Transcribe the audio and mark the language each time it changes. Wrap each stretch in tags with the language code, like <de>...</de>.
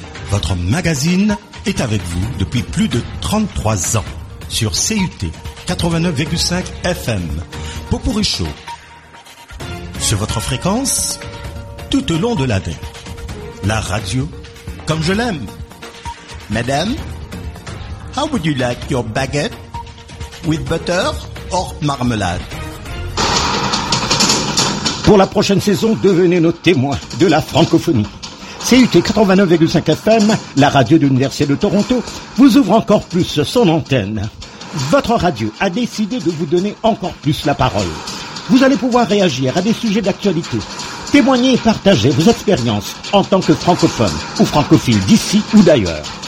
<fr>Votre magazine est avec vous depuis plus de 33 ans. Sur CUT 89,5 FM, Popourri Show, sur votre fréquence, tout au long de l'année, la radio, comme je l'aime.</fr> <en>Madame, how would you like your baguette, with butter or marmelade?</en> <fr>Pour la prochaine saison, devenez nos témoins de la francophonie. CUT 89,5 FM, la radio de l'Université de Toronto, vous ouvre encore plus son antenne. votre radio a décidé de vous donner encore plus la parole. Vous allez pouvoir réagir à des sujets d'actualité, témoigner et partager vos expériences en tant que francophone ou francophile d'ici ou d'ailleurs.</fr>